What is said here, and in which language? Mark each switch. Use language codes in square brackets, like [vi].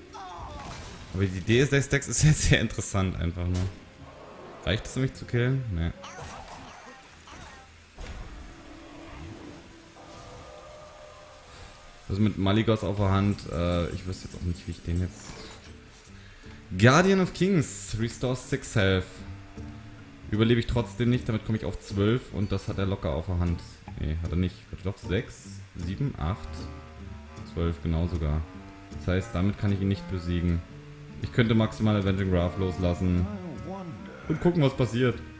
[de] Aber die Idee des Decks ist ja sehr interessant einfach nur. Reicht es, um mich zu killen? Nee. Also mit Maligos auf der Hand, ich wüsste jetzt auch nicht, wie ich den jetzt... [en] Guardian of Kings, restores 6 health. [de] Überlebe ich trotzdem nicht, damit komme ich auf 12 und das hat er locker auf der Hand. Nee, hat er nicht. Hat er doch 6, 7, 8, 12, genau sogar. Das heißt, damit kann ich ihn nicht besiegen. Ich könnte maximal Avenging Wrath loslassen und gucken, was passiert.